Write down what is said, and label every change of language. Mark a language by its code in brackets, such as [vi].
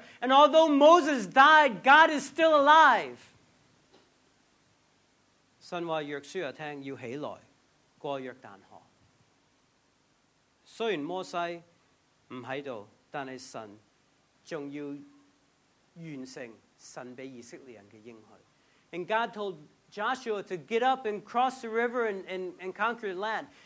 [en] And although Moses died, God is still alive. [yue] 神話約書亞聽要起來過約旦河。雖然摩西唔喺度，但係神仲要完成神俾以色列人嘅應許. [en] And God told Joshua to get up and cross the river and conquer the land.